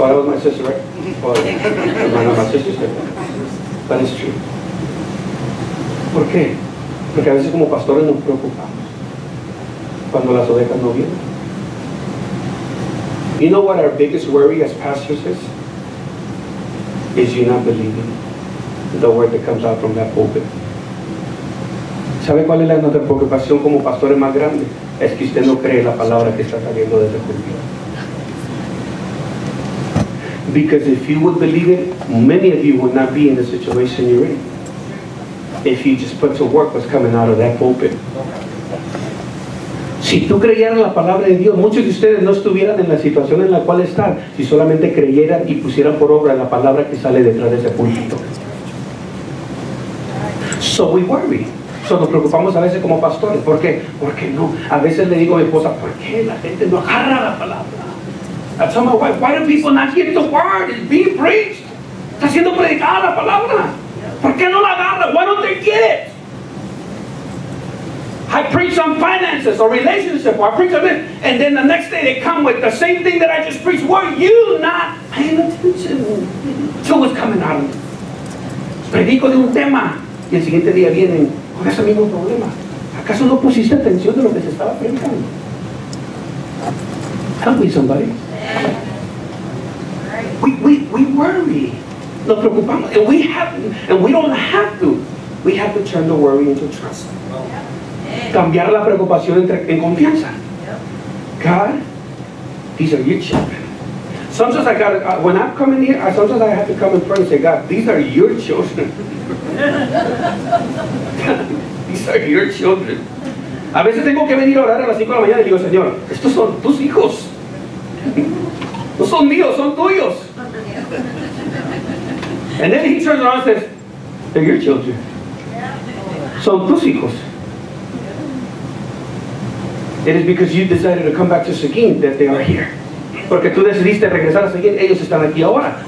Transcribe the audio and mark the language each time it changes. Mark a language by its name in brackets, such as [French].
[English] Well, that was my sister, right? Well, not my sister's sister. But it's true. [Spanish] ¿Por qué? Porque a veces como pastores nos preocupamos. Cuando las ovejas no vienen. [English] You know what our biggest worry as pastors is? Is you not believing the word that comes out from that pulpit. [Spanish] ¿Sabe cuál es la nuestra preocupación como pastores más grande? Es que usted no cree la palabra que está saliendo de ese púlpito. [English] Because if you would believe it, many of you would not be in the situation you're in. If you just put to work what's coming out of that pulpit. [Spanish] Si tú creyeras la palabra de Dios, muchos de ustedes no estuvieran en la situación en la cual están si solamente creyeran y pusieran por obra la palabra que sale detrás de ese púlpito. [English] So we worry. So [Spanish] nos preocupamos a veces como pastores. ¿Por qué? Porque no. A veces le digo a mi esposa, ¿por qué la gente no agarra la palabra? [English] I tell my wife, why do people not get the word? It's being preached. [Spanish] Está siendo predicada la palabra. ¿Por qué no la agarra? [English] Why don't they get it? I preach on finances or relationship, or I preach on this, and then the next day they come with the same thing that I just preached. Were you not paying attention to what's coming out of me? [Spanish] Predico de un tema, y el siguiente día vienen con ese mismo problema. ¿Acaso no pusiste atención de lo que se estaba predicando? [English] Help me, somebody. We worry. [Spanish] Nos preocupamos, [English] and we don't have to. We have to turn the worry into trust. [Spanish] Cambiar la preocupación en confianza. [English] God, these are your children. Sometimes I got, when I'm coming here, sometimes I have to come in front and say, God, these are your children. These are your children. [Spanish] A veces tengo que venir a orar a las 5 de la mañana y digo, Señor, estos son tus hijos. No son míos, son tuyos. [English] And then he turns around and says, they're your children. [Spanish] Son tus hijos. [English] It is because you decided to come back to Seguin that they are here. [Spanish] Porque tú decidiste regresar a Seguin, ellos están aquí ahora.